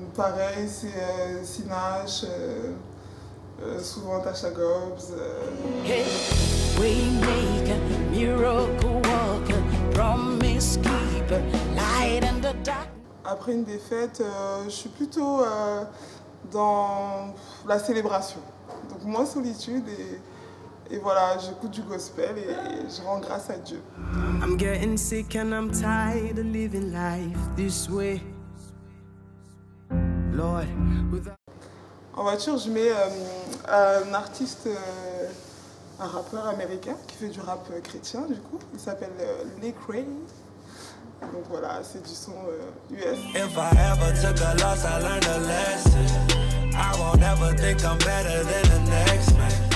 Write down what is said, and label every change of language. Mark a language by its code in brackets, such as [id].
[fr] Pareil, c'est Sinash, souvent Tasha Gobbs. [en] Hey, we make a miracle walker, promise keeper, light in the dark. [fr] Après une défaite, je suis plutôt dans la célébration. Donc moins solitude et voilà, j'écoute du gospel et je rends grâce à Dieu. [en] I'm getting sick and I'm tired of living life this way. Lord, without... [fr] En voiture, je mets un artiste, un rappeur américain qui fait du rap chrétien, du coup. Il s'appelle Lil Crane. Donc voilà, c'est du son US. [en] If I ever took a loss, I learned a lesson. I won't ever think I'm better than the next man.